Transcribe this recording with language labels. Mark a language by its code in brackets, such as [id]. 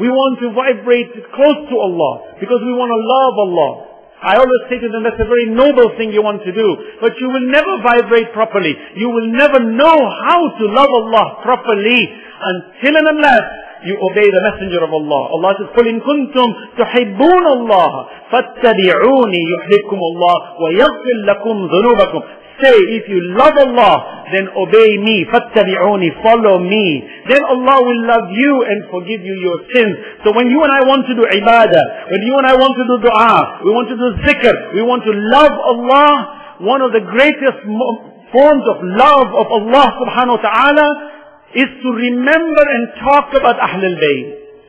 [en] We want to vibrate close to Allah, because we want to love Allah. I always say to them, that's a very noble thing you want to do, but you will never vibrate properly. You will never know how to love Allah properly until and unless you obey the Messenger of Allah. Allah says, [ar] قُلْ إِن كُنْتُمْ تُحِبُّونَ اللَّهَ فَاتَّبِعُونِي يُحْبِبْكُمُ اللَّهُ وَيَغْفِرْ لَكُمْ ذُنُوبَكُمْ. [en] Say, if you love Allah, then obey me. فَاتَّبِعُونِي, follow me. Then Allah will love you and forgive you your sins. So when you and I want to do ibadah, when you and I want to do dua, we want to do zikr, we want to love Allah, one of the greatest forms of love of Allah subhanahu wa ta'ala is to remember and talk about Ahlul Bayt.